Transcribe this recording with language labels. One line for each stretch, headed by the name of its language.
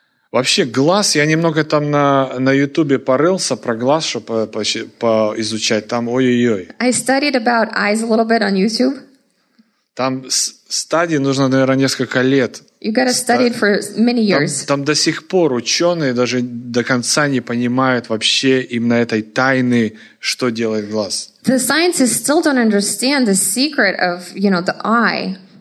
Russian: Вообще, глаз, я немного там на Ютубе порылся про глаз, чтобы поизучать. Там ой-ой-ой.
English: I studied about eyes a little bit on YouTube.
Russian: Там стадии нужно, наверное, несколько лет.
English: You gotta study it for many years.
Russian: Там до сих пор ученые даже до конца не понимают вообще именно этой тайны, что делает глаз.
English: The scientists still don't understand the secret of, you know, the eye.